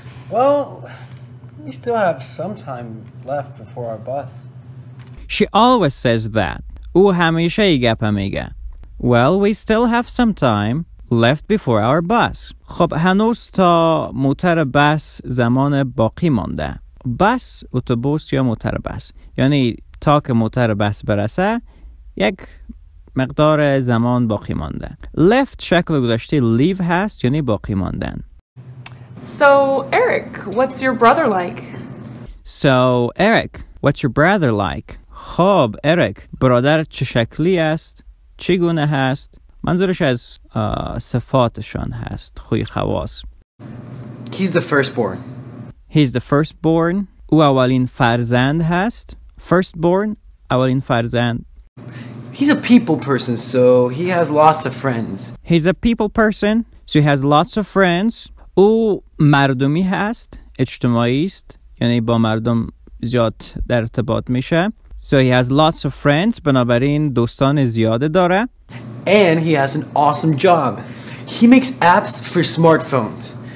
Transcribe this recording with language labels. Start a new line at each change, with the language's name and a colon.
English: Well, we still have some time left before our bus. She always says that.
Persian: او همیشه یه گپ میگه.
English: Well, we still have some time left before our bus.
Persian: خب هنوز تا موتر بس زمان باقی مانده. بس اتوبوس یا موتر بس. یعنی تا که موتر بس برسه یک مقدار زمان باقی مانده. Left شکل گذاشته leave هست یعنی باقی ماندن.
English: So Eric, what's your brother like? So Eric, what's your brother like?
Persian: خب Eric, برادر چه شکلی است؟ چی گونه هست؟ منظورش از صفاتشان هست، خوی خواص.
English: He's the firstborn. He's the firstborn.
Persian: او اولین فرزند هست. Firstborn، اولین فرزند.
English: He's a people person, so he has lots of friends. He's a people person, so he has lots of friends.
Persian: او مردمی هست، اجتماعی است، یعنی با مردم زیاد در ارتباط میشه.
English: So he has lots of friends,
Persian: بنابراین دوستان زیاده داره.
English: And he has an awesome job. He makes apps for smartphones.